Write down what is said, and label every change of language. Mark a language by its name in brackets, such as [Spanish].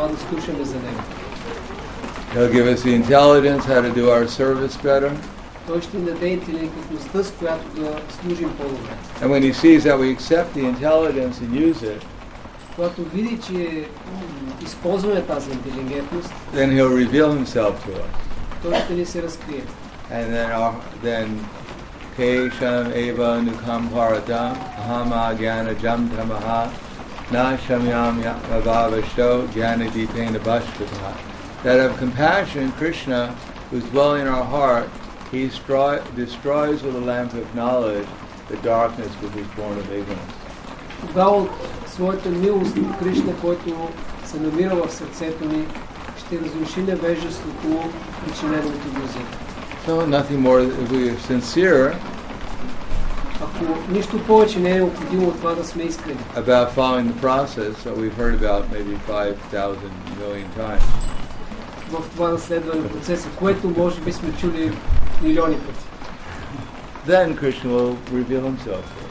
[English] He'll give us the intelligence how to do our service better. And when he sees that we accept the intelligence and use it, [Bulgarian] когато види, че използваме тази интелигентност, [English] then he'll reveal himself to us. [Bulgarian] Той ще ни се разкрие. [English] And then [Sanskrit] Kesham Eva Nukam Parata Ahama Gyana Jamta Maha Na Shamyam Yavavasho Gyana Deepena Bhashvata. [English] That of compassion, Krishna, who's dwelling in our heart, he destroys with the lamp of knowledge the darkness which is born of ignorance. [Bulgarian] Своята милост на Кришна, който се намира в сърцето ни, ще разруши невежеството и членовите глузи. [English] So nothing more, if we are sincere, [Bulgarian] ако нищо повече не е необходимо от това да сме искрени, [English] about following the process that we've heard about maybe 5,000 million times, [Bulgarian] в това да следваме процеса, което може би сме чули милиони пъти, [English] then Krishna will reveal himself.